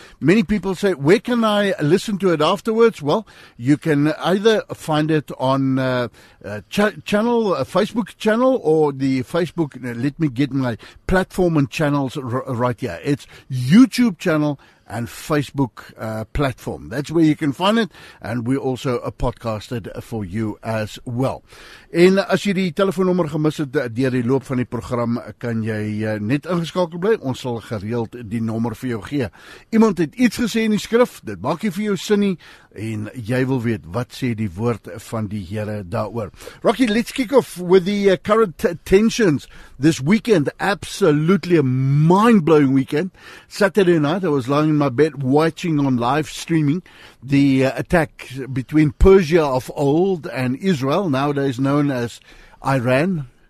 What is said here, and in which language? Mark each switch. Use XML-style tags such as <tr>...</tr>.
<en>Many people say, where can I listen to it afterwards? Well, you can either find it on Facebook channel or the Facebook, let me get my platform and channels right. Yeah, it's YouTube channel and Facebook platform. That's where you can find it, and we also podcasted for you as well.</en> <af>En as jy die telefoonnommer gemis het deur die loop van die program, kan jy net ingeskakel bly. Ons sal gereeld die nommer vir jou gee. Iemand het iets gesê in die skrif, dit maak nie vir jou sin nie, en jy wil weet wat sê die woord van die Here daaroor.</af> <en>Rocky, let's kick off with the current tensions this weekend. Absolutely a mind-blowing weekend. Saturday night, I was lying in my bed watching on live streaming the attack between Persia of old and Israel, nowadays known as Iran.</en>